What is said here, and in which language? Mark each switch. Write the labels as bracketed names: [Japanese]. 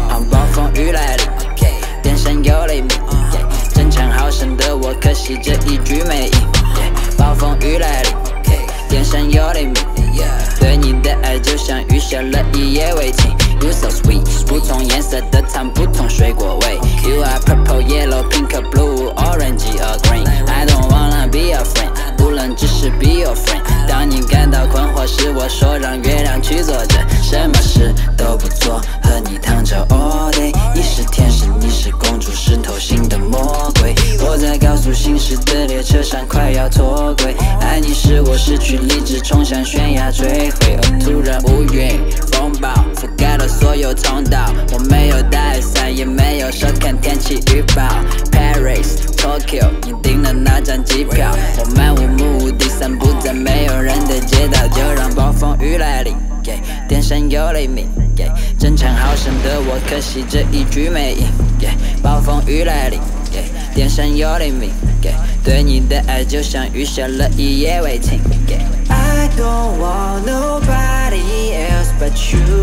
[Chinese] 暴风雨来临，电闪又雷鸣。争强好胜的我，可惜这一局没赢。暴风雨来临，电闪又雷鸣。对你的爱就像雨下了一夜未停。 [English] You so sweet， [Chinese] 不同颜色的糖，不同水果味。 [English] You are purple, yellow, pink, blue, orange or green. I don't wanna be your friend， [Chinese] 不能只是 [English] be your friend。 [Chinese] 当你感到困惑时，我说让月亮去坐着，什么事都不做，和你躺着 [English] all day。 [Chinese] 你是天使，你是公主，是偷心的魔鬼。我在高速行驶的列车上快要脱轨，爱你使我失去理智，冲向悬崖坠毁。突然乌云风暴覆盖了所有通道，我没有带伞，也没有收看天气预报。 Paris Tokyo， 你订了那张机票，我漫无目的散步在没有人的街道。就让暴风雨来临，电闪又雷鸣。争强好胜的我，可惜这一局没赢。暴风雨来临，电闪又雷鸣。对你的爱就像雨下了一夜未停。 [English] I don't want nobody else but you.